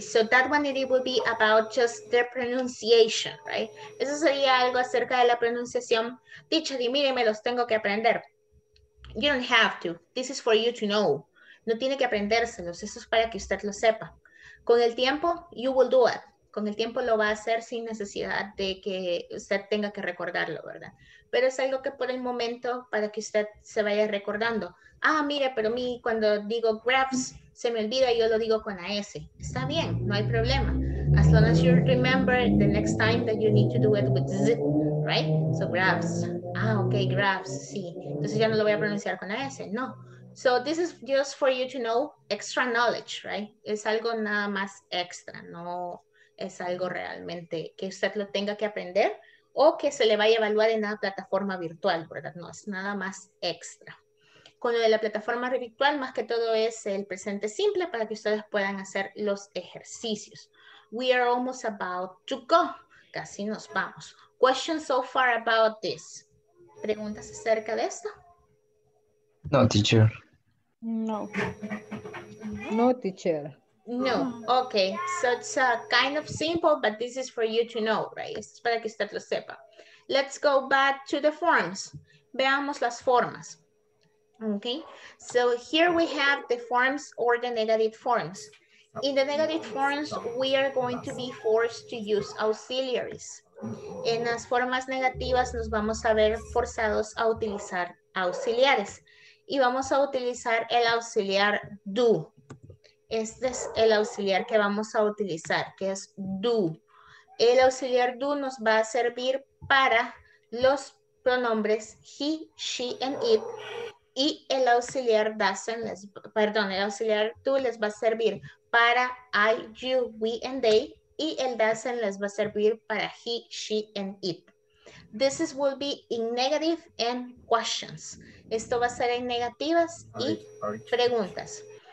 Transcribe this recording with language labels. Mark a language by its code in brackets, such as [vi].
[en] So that one, it will be about just the pronunciation, right? [es] Eso sería algo acerca de la pronunciación. Dicho, di, mire, me los tengo que aprender. [en] You don't have to. This is for you to know. No tiene que aprendérselos. [es] Eso es para que usted lo sepa. Con el tiempo, you will do it. Con el tiempo lo va a hacer sin necesidad de que usted tenga que recordarlo, ¿verdad? Pero es algo que por el momento, para que usted se vaya recordando. Ah, mire, pero a mí cuando digo graphs, se me olvida y yo lo digo con la S. Está bien, no hay problema. [en] As long as you remember the next time that you need to do it with Z, right? So graphs. Ah, okay, graphs, sí. [es] Entonces ya no lo voy a pronunciar con la S, no. [en] So this is just for you to know extra knowledge, right? [es] Es algo nada más extra, no es algo realmente que usted lo tenga que aprender o que se le vaya a evaluar en una plataforma virtual, ¿verdad? No, es nada más extra. Con lo de la plataforma virtual, más que todo es el presente simple para que ustedes puedan hacer los ejercicios. [en] We are almost about to go. Casi nos vamos. Questions so far about this. ¿Preguntas acerca de esto? No, teacher. No. No, teacher. No. Okay. So it's a kind of simple, but this is for you to know, right? [es] Es para que usted lo sepa. Let's go back to the forms. [en] Veamos las formas. Okay, so here we have the forms or the negative forms. In the negative forms, we are going to be forced to use auxiliaries. [es] En las formas negativas, nos vamos a ver forzados a utilizar auxiliares. Y vamos a utilizar el auxiliar do. Este es el auxiliar que vamos a utilizar, que es do. El auxiliar do nos va a servir para los pronombres he, she, and it. Y el auxiliar doesn't, perdón, el auxiliar do les va a servir para I, you, we, and they. Y el doesn't les va a servir para he, she, and it. [en] This is, will be in negative and questions. [es] Esto va a ser en negativas y preguntas.